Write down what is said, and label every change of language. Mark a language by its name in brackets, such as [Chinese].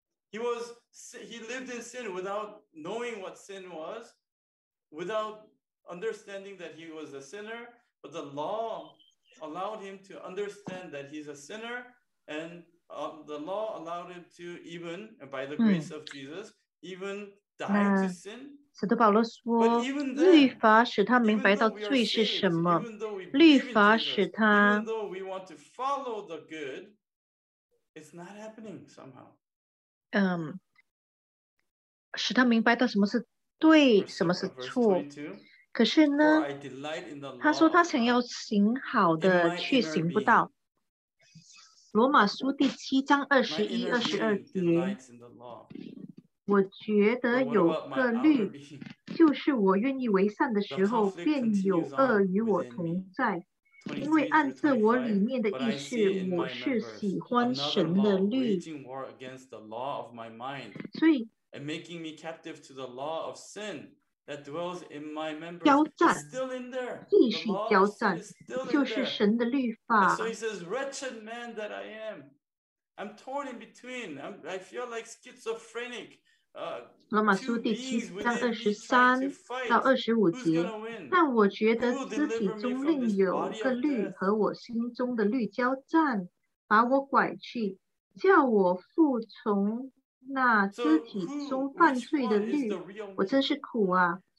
[English] He lived in sin without knowing what sin was. Without understanding that he was a sinner, but the law allowed him to understand that he's a sinner, and the law allowed him to even, by the grace of Jesus, even die to sin. [Chinese] 使徒保罗说，律法使他明白到罪是什么。律法使他。 [English] Even though we want to follow the good, it's not happening somehow. [Chinese] 使他明白到什么是。对，什么是错？可是呢，他说他想要行好的，却行不到。罗马书第七章二十一、二十二节，我觉得有个律，就是我愿意为善的时候，便有恶与我同在。因为按着我里面的意识，我是喜欢神的律，所以。 [English] And making me captive to the law of sin that dwells in my members. [Chinese] 交战 [English] still in there. [Chinese] 继续交战，就是神的律法。 [English] So he says, "Wretched man that I am, I'm torn in between. I feel like schizophrenic." [Chinese] 罗马书第七章二十三到二十五节。但我觉得肢体中另有个律和我心中的律交战，把我拐去，叫我服从。那肢体中犯罪的律，我真是苦啊！